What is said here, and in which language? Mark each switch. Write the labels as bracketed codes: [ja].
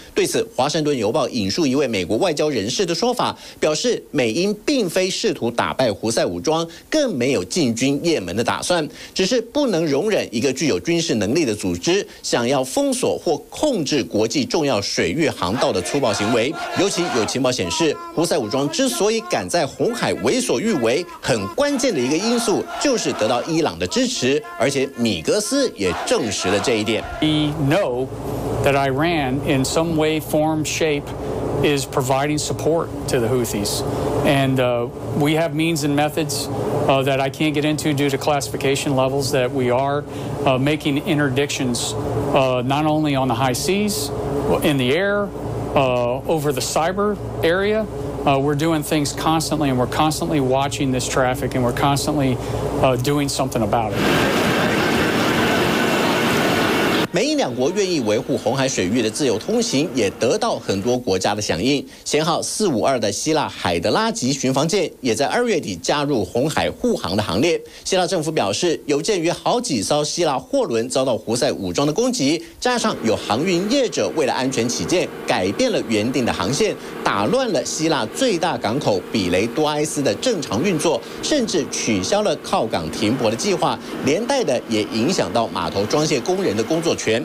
[zh] 对此，华盛顿邮报引述一位美国外交人士的说法，表示美英并非试图打败胡塞武装，更没有进军也门的打算，只是不能容忍一个具有军事能力的组织想要封锁或控制国际重要水域航道的粗暴行为。尤其有情报显示，胡塞武装之所以敢在红海为所欲为，很关键的一个因素就是得到伊朗的支持，而且米格斯也证实了这一点。 [en] We know that Iran in some way, form, shape is providing support to the Houthis, and we have means and methods that I can't get into due to classification levels that we are making interdictions not only on the high seas, in the air, over the cyber area. We're doing things constantly, and we're constantly watching this traffic, and we're constantly doing something about it. [zh] 美英两国愿意维护红海水域的自由通行，也得到很多国家的响应。舷号452的希腊海德拉级巡防舰也在二月底加入红海护航的行列。希腊政府表示，有鉴于好几艘希腊货轮遭到胡塞武装的攻击，加上有航运业者为了安全起见改变了原定的航线，打乱了希腊最大港口比雷多埃斯的正常运作，甚至取消了靠港停泊的计划，连带的也影响到码头装卸工人的工作。